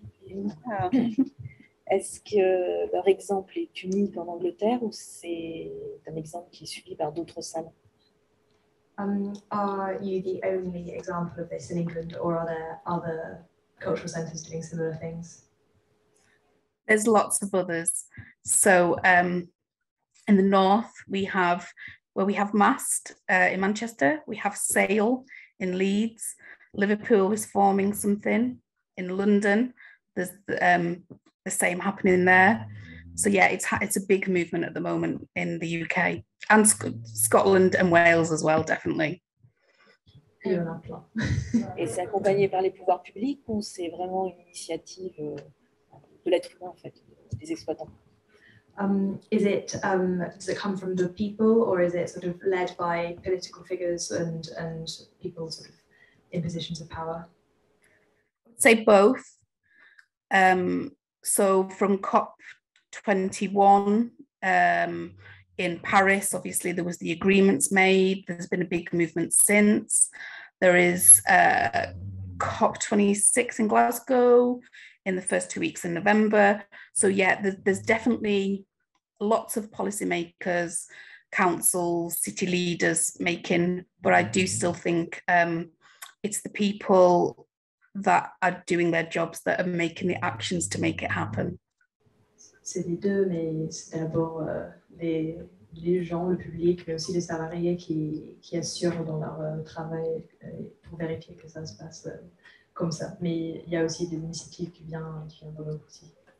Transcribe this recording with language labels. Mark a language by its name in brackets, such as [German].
[French] Oh, ok. Est-ce que leur exemple est unique en Angleterre ou c'est un exemple qui est suivi par d'autres salles? [English] Are you the only example of this in England or are there other cultural centres doing similar things? There's lots of others. So in the north we have where we have MAST in Manchester, we have SAIL in Leeds, Liverpool is forming something, in London, there's the same happening there. So yeah, it's a big movement at the moment in the UK and Scotland and Wales as well, definitely. [French] Et c'est accompagné par les pouvoirs publics ou c'est vraiment une initiative de l'être humain en fait, des exploitants? [English] Does it come from the people or is it sort of led by political figures and people sort of in positions of power? I'd say both. So from COP21 in Paris, obviously there was the agreements made. There's been a big movement since. There is COP26 in Glasgow in the first 2 weeks in November. So yeah, there's definitely lots of policymakers, councils, city leaders making, but I do still think it's the people that are doing their jobs that are making the actions to make it happen. [French] C'est les deux, mais c'est d'abord les gens, le public, mais aussi les salariés qui assurent dans leur travail pour vérifier que ça se passe comme ça. Mais il y a aussi des initiatives qui viennent dans l'autre aussi.